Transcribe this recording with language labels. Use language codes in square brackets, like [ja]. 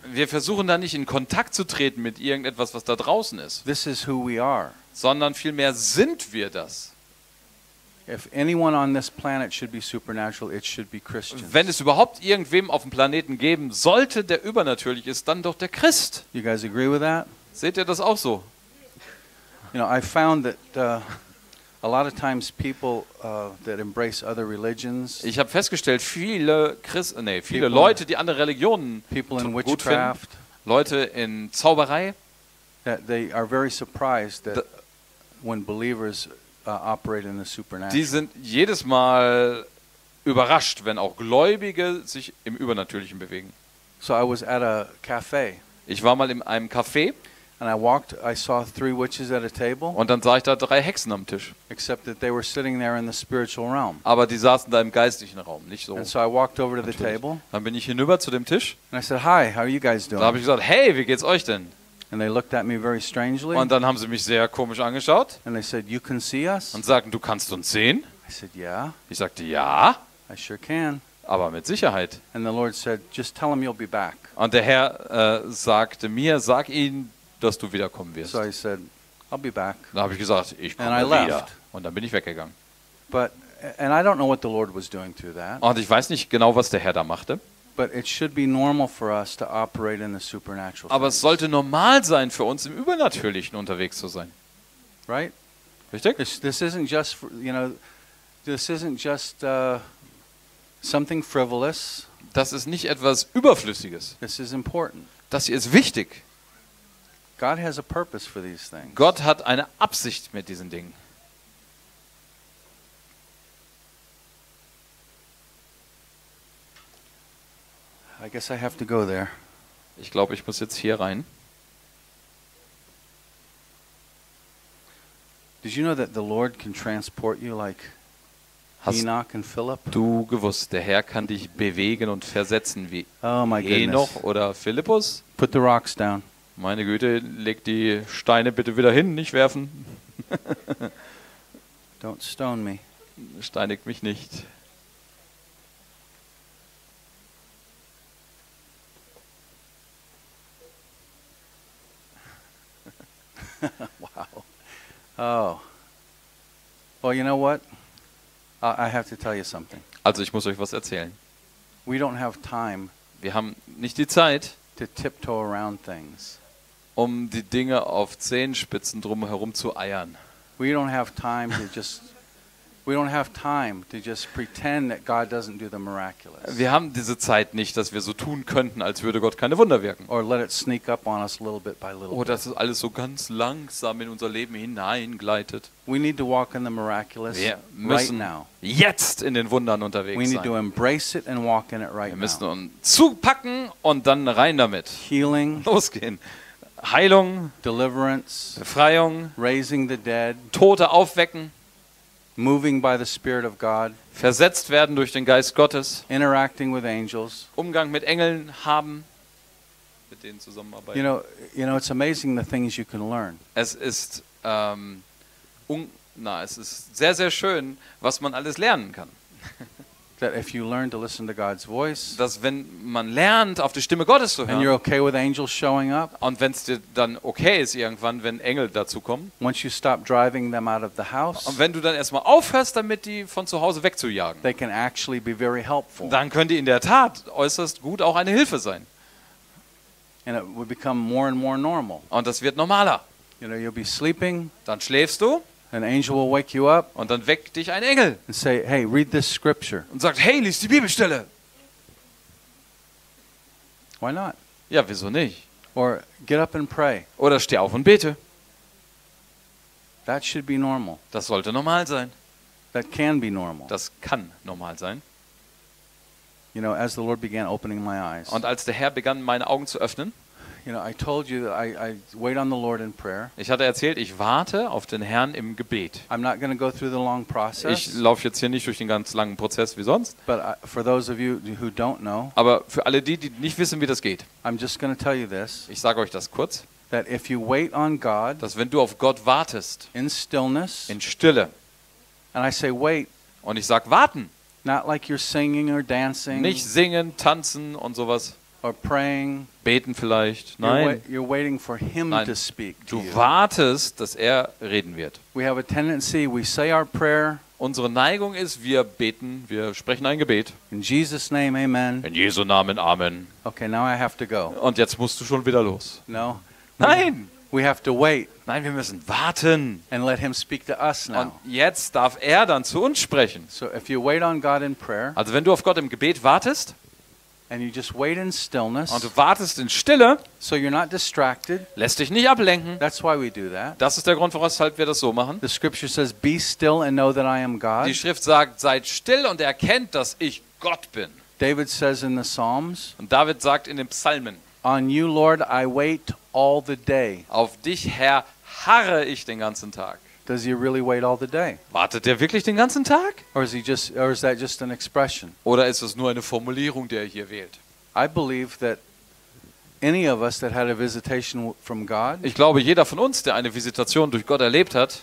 [de] Wir versuchen da nicht in Kontakt zu treten mit irgendetwas, was da draußen ist. [en] This is who we are. [de] Sondern vielmehr sind wir das. [en] If anyone on this planet should be supernatural, it should be Christians. [de] Wenn es überhaupt irgendwem auf dem Planeten geben sollte, der übernatürlich ist, dann doch der Christ. [en] You guys agree with that? [de] Seht ihr das auch so? [en] You know, I found that a lot of times people that embrace other religions. [de] Ich habe festgestellt, viele Leute, die andere Religionen gut finden, Leute in Zauberei, [en] they are very surprised that when believers operate in the supernatural. [de] Die sind jedes Mal überrascht, wenn auch Gläubige sich im Übernatürlichen bewegen. [en] So I was at a cafe. [de] Ich war mal in einem Café. [en] And I walked, I saw three witches at a table. [de] Und dann sah ich da drei Hexen am Tisch. [en] Except that they were sitting there in the spiritual realm. [de] Aber die saßen da im geistlichen Raum, nicht so. [en] And so I walked over to the table. [de] Dann bin ich hinüber zu dem Tisch. [en] And I said, "Hi, how are you guys doing?" [de] Da habe ich gesagt, "Hey, wie geht's euch denn?" [en] And they looked at me very strangely. [de] Und dann haben sie mich sehr komisch angeschaut. [en] And they said, "You can see us?" [de] Und sagten, "Du kannst uns sehen?" [en] I said, "Yeah." [de] Ich sagte, "Ja." [en] I sure can. [de] Aber mit Sicherheit. [en] And the Lord said, "Just tell him you'll be back." [de] Und der Herr sagte mir, sag ihnen, dass du wiederkommen wirst. [en] So I said, "I'll be back." [de] Da habe ich gesagt, ich komme wieder. Und dann bin ich weggegangen. [en] But, and I don't know what the Lord was doing through that. [de] Und ich weiß nicht genau, was der Herr da machte. [en] But it should be normal for us to operate in the supernatural. [de] Aber es sollte normal sein für uns, im Übernatürlichen unterwegs zu sein. [en] Right? [de] Richtig? [en] This isn't just, you know, this isn't just something frivolous. [de] Das ist nicht etwas Überflüssiges. [en] This is important. [de] Das hier ist wichtig. [en] God has a purpose for these things. [de] Gott hat eine Absicht mit diesen Dingen. [en] I guess I have to go there. [de] Ich glaube, ich muss jetzt hier rein. [en] Did you know that the Lord can transport you like Enoch and Philip? [de] Hast du gewusst, der Herr kann dich bewegen und versetzen wie [en] Enoch, oh my goodness, [de] oder Philippus? [en] Put the rocks down. [de] Meine Güte, leg die Steine bitte wieder hin, nicht werfen. [en] Don't stone me. [de] Steinigt mich nicht. [en] Wow. Oh. Well, you know what? I have to tell you something. [de] Also, ich muss euch was erzählen. [en] We don't have time. [de] Wir haben nicht die Zeit. [en] To tiptoe around things. [de] Um die Dinge auf Zehenspitzen drumherum zu eiern. [en] We don't have time to just pretend that God doesn't do the miraculous. [de] Wir haben diese Zeit nicht, dass wir so tun könnten, als würde Gott keine Wunder wirken. [en] Or let it sneak up on us little bit by little. [de] Oh, dass es alles so ganz langsam in unser Leben hineingleitet. [en] We need to walk in the miraculous right now. [de] Wir müssen jetzt in den Wundern unterwegs sein. [en] We need to embrace it and walk in it right now. [de] Wir müssen uns zupacken und dann rein damit. [en] Healing. [de] Losgehen. Heilung, [en] Deliverance, [de] Befreiung, [en] raising the dead, [de] Tote aufwecken, [en] moving by the Spirit of God, [de] versetzt werden durch den Geist Gottes, [en] interacting with angels, [de] Umgang mit Engeln haben, mit denen zusammenarbeiten. [en] You know, it's amazing the things you can learn. [de] Es ist sehr, sehr schön, was man alles lernen kann. [en] That if you learn to listen to God's voice, [de] dass wenn man lernt, auf die Stimme Gottes zu hören, [en] and you're okay with angels showing up, [de] und wenn es dir dann okay ist irgendwann, wenn Engel dazu kommen, [en] once you stop driving them out of the house, [de] und wenn du dann erstmal aufhörst, damit die von zu Hause wegzujagen, [en] they can actually be very helpful. [de] Dann können die in der Tat äußerst gut auch eine Hilfe sein. [en] And it will become more and more normal. [de] Und das wird normaler. [en] You know, you'll be sleeping. [de] Dann schläfst du. [en] An angel will wake you up. [de] Und dann weckt dich ein Engel. [en] And say, "Hey, read this scripture." [de] Und sagt, hey, lies die Bibelstelle. [en] Why not? [de] Ja, wieso nicht? [en] Or get up and pray. [de] Oder steh auf und bete. [en] That should be normal. [de] Das sollte normal sein. [en] That can be normal. [de] Das kann normal sein. [en] You know, as the Lord began opening my eyes. [de] Und als der Herr begann, meine Augen zu öffnen. [en] You know, I told you that I wait on the Lord in prayer. [de] Ich hatte erzählt, ich warte auf den Herrn im Gebet. [en] I'm not going to go through the long process. [de] Ich laufe jetzt hier nicht durch den ganz langen Prozess wie sonst. [en] But for those of you who don't know. [de] Aber für alle die, die nicht wissen, wie das geht. [en] I'm just going to tell you this. [de] Ich sage euch das kurz. [en] That if you wait on God. [de] Dass wenn du auf Gott wartest. [en] In stillness. [de] In Stille. [en] And I say wait. [de] Und ich sag warten. [en] Not like you're singing or dancing. [de] Nicht singen, tanzen und sowas. [en] Or praying. [de] Beten vielleicht. Nein. [en] You're waiting for him. [de] Nein. [en] To speak to [de] du wartest, dass er reden wird. [en] We have a tendency, we say our prayer. [de] Unsere Neigung ist, wir beten, wir sprechen ein Gebet. [en] In Jesus' name, amen. [de] In Jesu Namen, amen. [en] Okay, now I have to go. [de] Und jetzt musst du schon wieder los. [en] No. [de] Nein. [en] We have to wait. [de] Nein, wir müssen warten. [en] And let him speak to us now. [de] Und jetzt darf er dann zu uns sprechen. [en] So if you wait on God in prayer. [de] Also wenn du auf Gott im Gebet wartest. [en] And you just wait in stillness. [de] Und du wartest in Stille. [en] So you're not distracted. [de] Lässt dich nicht ablenken. [en] That's why we do that. [de] Das ist der Grund, weshalb wir das so machen. [en] The scripture says, "Be still and know that I am God." [de] Die Schrift sagt, seid still und erkennt, dass ich Gott bin. [en] David says in the Psalms. [de] Und David sagt in den Psalmen. [en] On you, Lord, I wait all the day. [de] Auf dich, Herr, harre ich den ganzen Tag. [en] Does he really wait all the day? [de] Wartet er wirklich den ganzen Tag? [en] Or is he just, or is that just an expression? [de] Oder ist es nur eine Formulierung, die er hier wählt? [en] I believe that any of us that had a visitation from God. [de] Ich glaube, jeder von uns, der eine Visitation durch Gott erlebt hat.